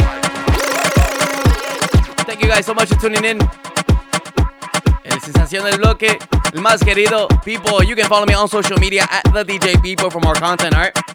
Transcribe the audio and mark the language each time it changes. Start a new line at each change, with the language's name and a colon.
English: Thank you guys so much for tuning in.
Spanish: El sensación del bloque, el más querido, Peepo.
English: You can follow me on social media at the DJ Peepo for more content, alright?